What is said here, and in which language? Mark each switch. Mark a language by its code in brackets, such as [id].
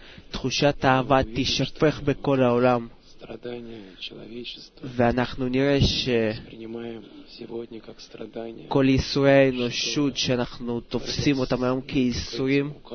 [he] תחושת אהבה תשפך בכל העולם. [ru] страдания человечества. [he] ואנחנו נראה ש [ru] принимаем сегодня как страдания. [he] כל ייסורי האנושות שאנחנו תופסים אותם היום כייסורים.